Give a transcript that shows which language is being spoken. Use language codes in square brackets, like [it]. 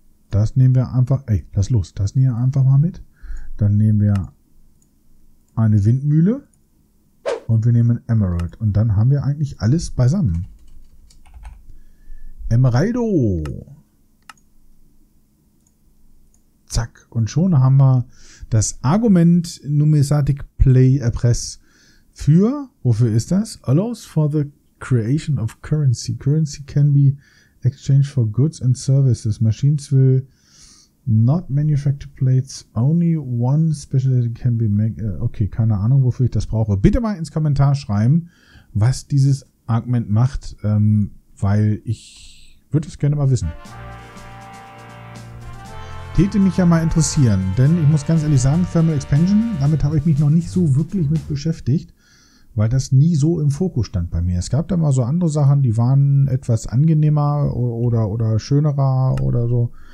[de] Das nehmen wir einfach. Ey, lass los. Das nehmen wir einfach mal mit. Dann nehmen wir eine Windmühle und wir nehmen Emerald und dann haben wir eigentlich alles beisammen. Emeraldo! Zack, und schon haben wir das Argument Numismatic Play Press für, wofür ist das? [en] Allows for the creation of currency. Currency can be exchanged for goods and services. Machines will not manufactured plates, only one special that can be made. [de] Okay, keine Ahnung, wofür ich das brauche. Bitte mal ins Kommentar schreiben, was dieses Argument macht, weil ich würde es gerne mal wissen. Täte mich ja mal interessieren, denn ich muss ganz ehrlich sagen, Thermal Expansion, damit habe ich mich noch nicht so wirklich mit beschäftigt, weil das nie so im Fokus stand bei mir. Es gab da mal so andere Sachen, die waren etwas angenehmer oder schönerer oder so.